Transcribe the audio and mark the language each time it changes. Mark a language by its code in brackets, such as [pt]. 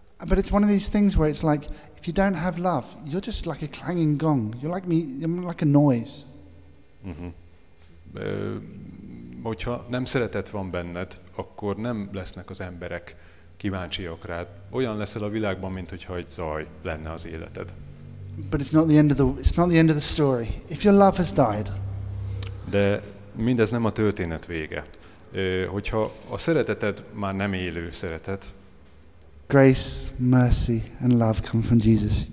[en] But it's one of these things where it's like, if you don't have love, you're just like a clanging gong. You're like me, you're like a noise. Uh-huh. [hu] Hogyha nem szeretet van benned, akkor nem lesznek az emberek kíváncsiak rád. Olyan leszel a világban, mint hogyha egy zaj lenne az életed. [en] But it's not the end of the story. If your love has died. [hu] De mindez nem a történet vége. Hogyha a szereteted már nem élő szeretet, [en] grace, mercy and love come from Jesus.